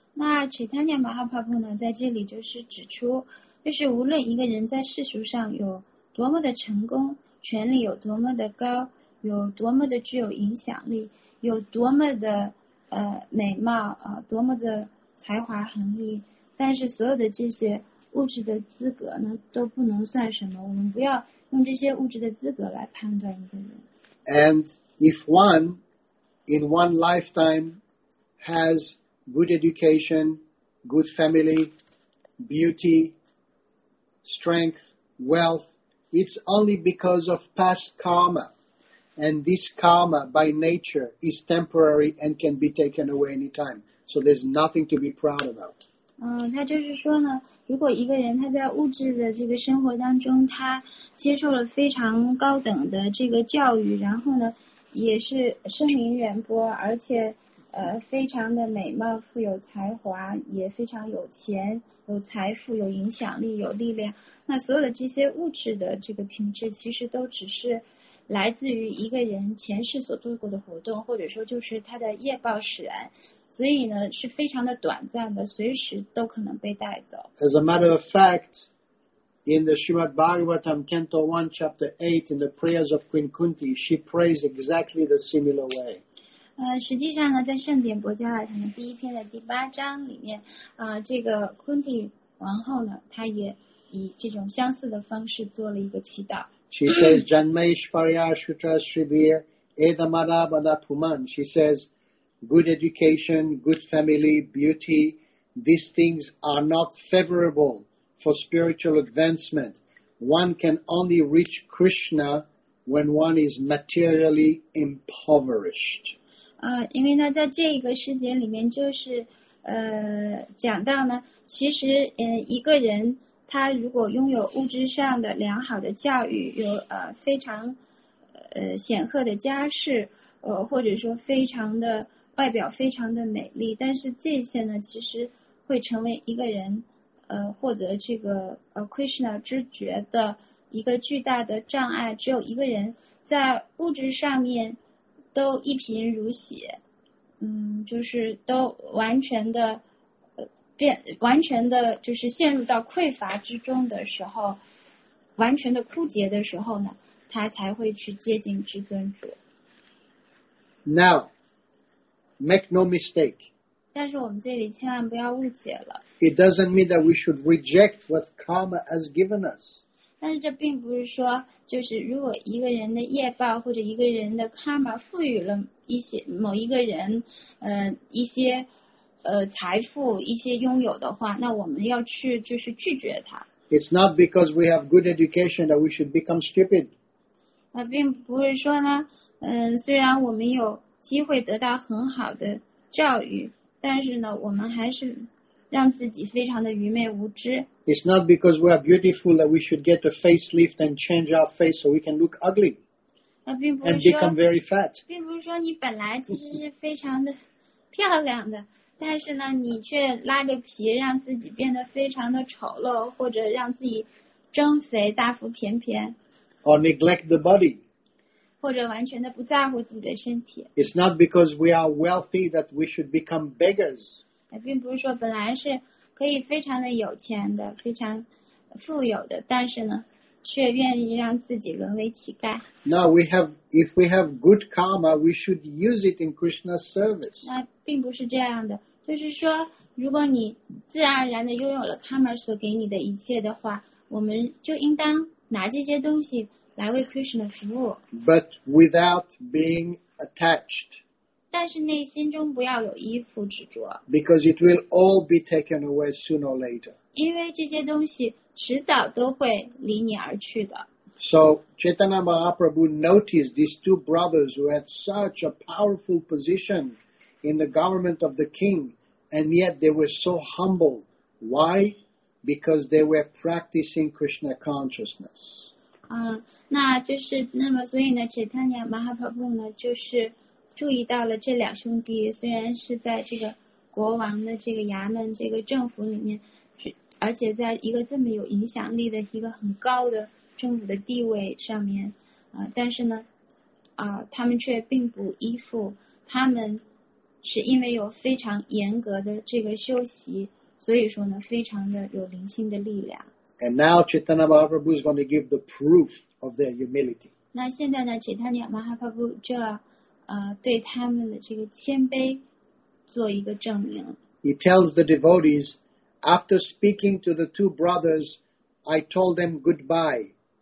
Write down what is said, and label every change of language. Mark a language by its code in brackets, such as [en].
[zh] 那 Chaitanya Mahaprabhu 呢，在这里就是指出，就是无论一个人在世俗上有多么的成功，权力有多么的高，有多么的具有影响力，有多么的美貌啊，多么的才华横溢，但是所有的这些物质的资格呢，都不能算什么。我们不要用这些物质的资格来判断一个人。 [en] And if one in one lifetime has good education, good family, beauty, strength, wealth, it's only because of past karma. And this karma by nature is temporary and can be taken away anytime. So there's nothing to be proud about. [zh] 他就是说呢，如果一个人他在物质的这个生活当中，他接受了非常高等的这个教育，然后呢，也是声名远播，而且非常的美貌，富有才华，也非常有钱，有财富，有影响力，有力量，那所有的这些物质的这个品质，其实都只是来自于一个人前世所做过的活动，或者说就是他的业报使然，所以呢是非常的短暂的，随时都可能被带走。 [en] As a matter of fact, in the Srimad Bhagavatam, Canto 1, Chapter 8, in the prayers of Queen Kunti, she prays exactly the similar way. [zh] 实际上呢，在圣典博迦瓦坛的第一篇的第八章里面，这个 Kunti 王后呢，她也以这种相似的方式做了一个祈祷。 [en] She says, [sa] Janmaishvarya Shutra Srivir Edamada Bada Puman. She says, [en] good education, good family, beauty, these things are not favorable for spiritual advancement. One can only reach Krishna when one is materially impoverished. [zh] 因为呢，在这个世界里面，就是讲到呢，其实一个人他如果拥有物质上的良好的教育，有非常显赫的家世，或者说非常的外表非常的美丽，但是这些呢，其实会成为一个人获得这个Krishna 知觉的一个巨大的障碍。只有一个人在物质上面都一贫如洗，就是都完全的完全的就是陷入到匮乏之中的时候，完全的枯竭的时候呢，他才会去接近至尊主。 [en] Now make no mistake, [zh] 但是我们这里千万不要误解了， [en] it doesn't mean that we should reject what karma has given us. [zh] 但是这并不是说，就是如果一个人的业报或者一个人的 karma 赋予了一些某一个人一些财富，一些拥有的话，那我们要去就是拒绝它。 [en] It's not because we have good education that we should become stupid. [zh] 那并不是说呢，虽然我们有机会得到很好的教育，但是呢，我们还是让自己非常的愚昧无知。 [en] It's not because we are beautiful that we should get a facelift and change our face so we can look ugly. [zh] 那并不是说 [en] and become very fat. [zh] 并不是说你本来其实是非常的漂亮的。但是呢，你却拉着皮让自己变得非常的丑陋，或者让自己增肥大腹便便， [en] or neglect the body, [zh] 或者完全的不在乎自己的身体。 [en] It's not because we are wealthy that we should become beggars. [zh] 并不是说本来是可以非常的有钱的，非常富有的，但是呢，却愿意让自己沦为乞丐。 [en] No, we have, if we have good karma, we should use it in Krishna's service. [zh] 那并不是这样的，就是说，如果你自然而然的拥有了 karma 所给你的一切的话，我们就应当拿这些东西来为 Krishna 服务。 [en] But without being attached. [zh] 但是内心中不要有依附执着。 [en] Because it will all be taken away sooner or later. [zh] 因为这些东西迟早都会离你而去的。 [en] So Chaitanya Mahaprabhu noticed these two brothers who had such a powerful position in the government of the king, and yet they were so humble. Why? Because they were practicing Krishna consciousness. [zh] 那就是那么所以呢 Chaitanya Mahaprabhu 呢就是注意到了这两兄弟虽然是在这个国王的这个衙门这个政府里面，而且在一个这么有影响力的一个很高的政府的地位上面，但是呢，他们却并不依附，他们是因为有非常严格的这个修习，所以说呢，非常的有灵性的力量。 [en] And now Chaitanya Mahaprabhu is going to give the proof of their humility. [zh] 那现在呢 ，Chaitanya Mahaprabhu 这对他们的这个谦卑做一个证明。 [en] He tells the devotees. After speaking to the two brothers, I told them goodbye.